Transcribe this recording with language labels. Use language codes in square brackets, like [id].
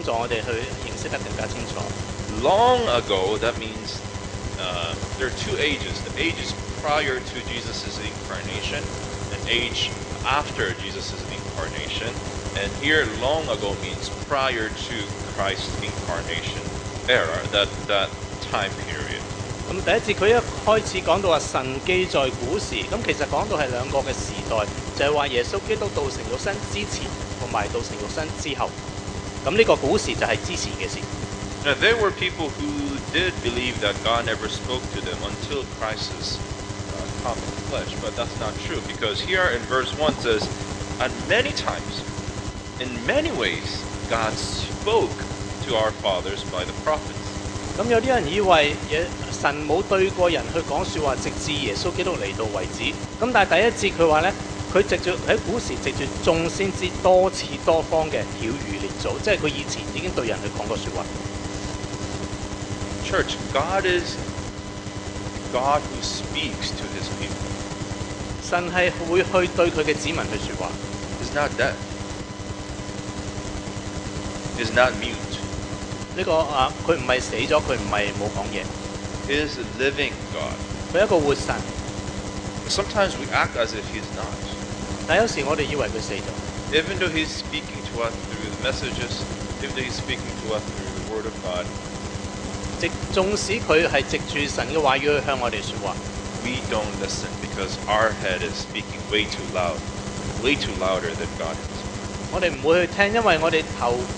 [en] Long ago, that means there are two ages. The age is prior to Jesus' incarnation, and age after Jesus' incarnation. And here, long ago means prior to Christ's incarnation era, that time period. [yue] 咁第一節佢一開始講到話神記在古時，咁其實講到係兩個嘅時代，就係話耶穌基督道成肉身之前同埋道成肉身之後。咁呢個古時就係之前嘅事。 [en] Now there were people who did believe that God never spoke to them until Christ's come in flesh, but that's not true because here in verse 1 says, "And many times." In many ways, God spoke to our fathers by the prophets. [yue] 咁有啲人以為神冇對過人去講説話，直至耶穌基督嚟到為止。咁但係第一節佢話咧，佢藉著喺古時藉著眾先知多次多方嘅曉喻嚟做，即係佢以前已經對人去講過説話。 [en] Church, God is God who speaks to His people. [yue] 神係會去對佢嘅子民去説話。 [en] Is not that? Is not mute. [yue] 这个啊，佢唔系死咗，佢唔系冇讲嘢。 [en] Is a living God. [yue] 佢一个活神。 [en] Sometimes we act as if he's not. [yue] 但有时我哋以为佢死咗。 [en] Even though he's speaking to us through the messages, even though he's speaking to us through the Word of God, [yue] 纵使佢系藉住神嘅话语去向我哋说话 [en] ，we don't listen because our head is speaking way too loud, way too louder than God is. [yue] 我哋唔会去听，因为我哋头。